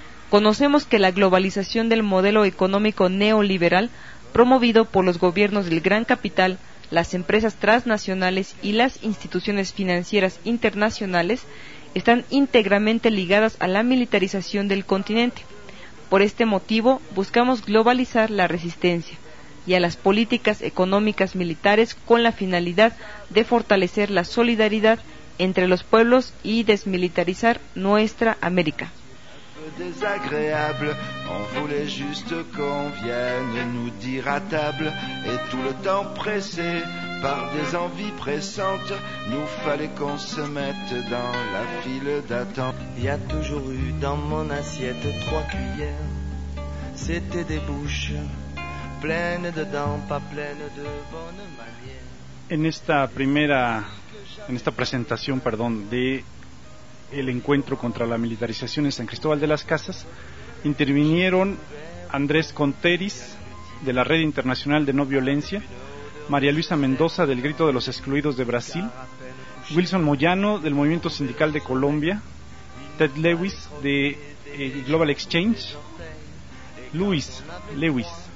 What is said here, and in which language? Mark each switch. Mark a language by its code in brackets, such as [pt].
[es] Conocemos que la globalización del modelo económico neoliberal, promovido por los gobiernos del gran capital, las empresas transnacionales y las instituciones financieras internacionales, están íntegramente ligadas a la militarización del continente. Por este motivo, buscamos globalizar la resistencia y a las políticas económicas militares con la finalidad de fortalecer la solidaridad entre los pueblos y desmilitarizar nuestra América. [fr] Désagréable, on voulait juste qu'on vienne nous dire à table, et tout le temps pressé par des envies pressantes, nous fallait qu'on se mette dans la file d'attente. Y a toujours eu dans mon assiette trois cuillères, c'était des bouches pleines de dents, pas pleines de bonnes manières. [es] En esta presentación, de el encuentro contra la militarización en San Cristóbal de las Casas, intervinieron Andrés Conteris, de la Red Internacional de No Violencia, María Luisa Mendoza, del Grito de los Excluidos de Brasil, Wilson Moyano, del Movimiento Sindical de Colombia, Ted Lewis, de Global Exchange, Luis Lewis.